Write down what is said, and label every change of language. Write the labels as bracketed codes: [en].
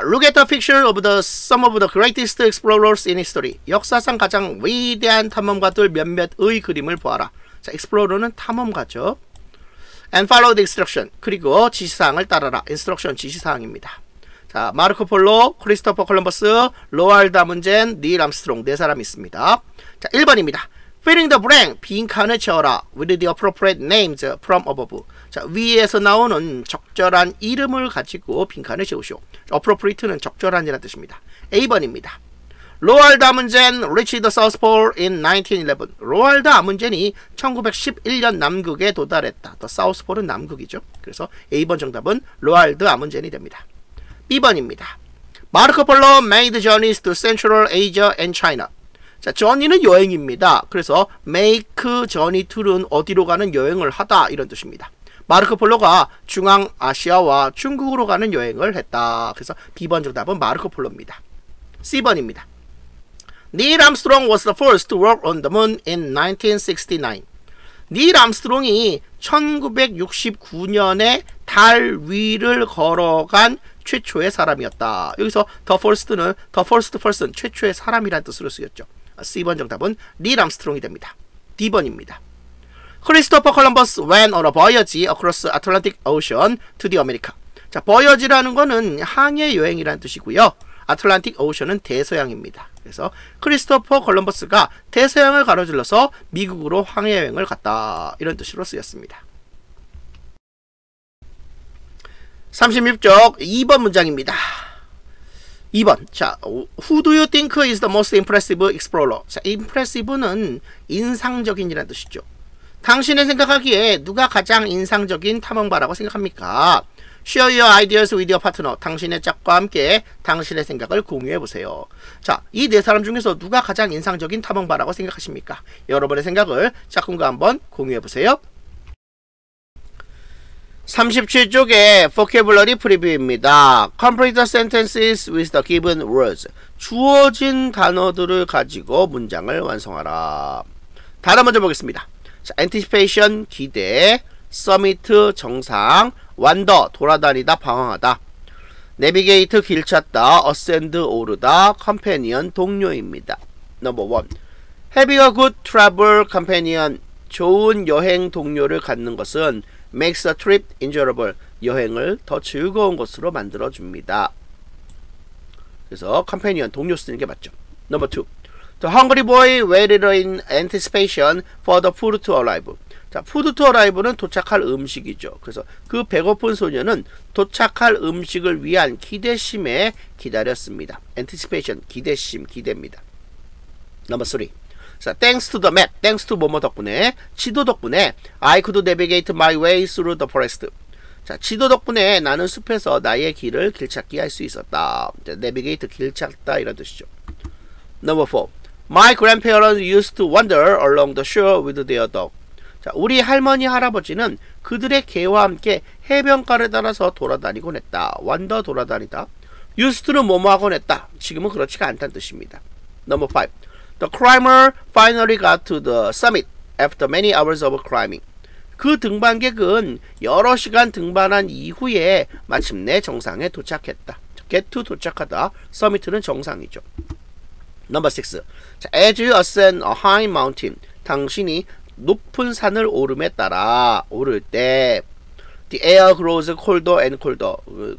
[en] Look at the picture of the some of the greatest explorers in history. [ko] 역사상 가장 위대한 탐험가들 몇몇의 그림을 보아라. 자, explorer는 탐험가죠. [en] And follow the instruction. [ko] 그리고 지시사항을 따라라. Instruction, 지시사항입니다. 자, 마르코 폴로, 크리스토퍼 콜럼버스, 로알드 아문젠, 닐 암스트롱 네 사람 있습니다. 자, 1번입니다. [en] Filling the blank, [ko] 빈 칸을 채워라. [en] With the appropriate names from above. [ko] 자, 위에서 나오는 적절한 이름을 가지고 빈 칸을 채우시오. Appropriate는 적절한이라는 뜻입니다. A번입니다. [en] Roald Amundsen reached the South Pole in 1911. [ko] Roald Amundsen이 1911년 남극에 도달했다. The South Pole은 남극이죠. 그래서 A번 정답은 Roald Amundsen이 됩니다. B번입니다. [en] Marco Polo made journeys to Central Asia and China. [ko] 자, journey는 여행입니다. 그래서 make journey to는 어디로 가는 여행을 하다 이런 뜻입니다. 마르코 폴로가 중앙아시아와 중국으로 가는 여행을 했다. 그래서 B번 정답은 마르코 폴로입니다. C번입니다. [en] Neil Armstrong was the first to walk on the moon in 1969. [ko] Neil Armstrong이 1969년에 달 위를 걸어간 최초의 사람이었다. 여기서 the first는 the first person, 최초의 사람이라는 뜻으로 쓰였죠. C번 정답은 닐 암스트롱이 됩니다. D번입니다. [en] 크리스토퍼 콜럼버스 went on a voyage across Atlantic Ocean to the America. [ko] 자, voyage라는 거는 항해 여행이라는 뜻이고요. Atlantic Ocean은 대서양입니다. 그래서 크리스토퍼 콜럼버스가 대서양을 가로질러서 미국으로 항해 여행을 갔다. 이런 뜻으로 쓰였습니다. 36쪽 2번 문장입니다. 2번. [en] 자, who do you think is the most impressive explorer? [ko] 자, impressive는 인상적인이라는 뜻이죠. 당신의 생각하기에 누가 가장 인상적인 탐험가라고 생각합니까? [en] Share your ideas with your partner. [ko] 당신의 짝과 함께 당신의 생각을 공유해보세요. 자, 이 네 사람 중에서 누가 가장 인상적인 탐험가라고 생각하십니까? 여러분의 생각을 짝꿍과 한번 공유해보세요. 37쪽에 vocabulary preview입니다. [en] Complete the sentences with the given words. [ko] 주어진 단어들을 가지고 문장을 완성하라. 단어 먼저 보겠습니다. 자, anticipation, 기대, summit, 정상, wander, 돌아다니다, 방황하다, navigate, 길 찾다, ascend, 오르다, companion, 동료입니다. [en] Number 1. Having a good travel companion, [ko] 좋은 여행 동료를 갖는 것은 [en] makes a trip enjoyable. [ko] 여행을 더 즐거운 것으로 만들어줍니다. 그래서 companion, 동료 쓰는 게 맞죠. [en] Number 2. The hungry boy waited in anticipation for the food to arrive. [ko] 자, food to arrive는 도착할 음식이죠. 그래서 그 배고픈 소녀는 도착할 음식을 위한 기대심에 기다렸습니다. anticipation, 기대심, 기대입니다. [en] Number 3. 자, thanks to the map, thanks to [ko] 뭐뭐 덕분에, 지도 덕분에, [en] I could navigate my way through the forest. [ko] 자, 지도 덕분에 나는 숲에서 나의 길을 길찾기 할 수 있었다. 자, navigate, 길찾다, 이런 뜻이죠. [en] Number 4. My grandparents used to wander along the shore with their dog. [ko] 자, 우리 할머니, 할아버지는 그들의 개와 함께 해변가를 따라서 돌아다니곤 했다. 완더 돌아다니다. 유스트는 뭐뭐하곤 했다. 지금은 그렇지가 않다는 뜻입니다. [en] Number 5. The climber finally got to the summit after many hours of climbing. [ko] 그 등반객은 여러 시간 등반한 이후에 마침내 정상에 도착했다. Get to 도착하다. Summit는 정상이죠. [en] Number 6. As you ascend a high mountain, [ko] 당신이 높은 산을 오름에 따라 오를 때 [en] The air grows colder and colder.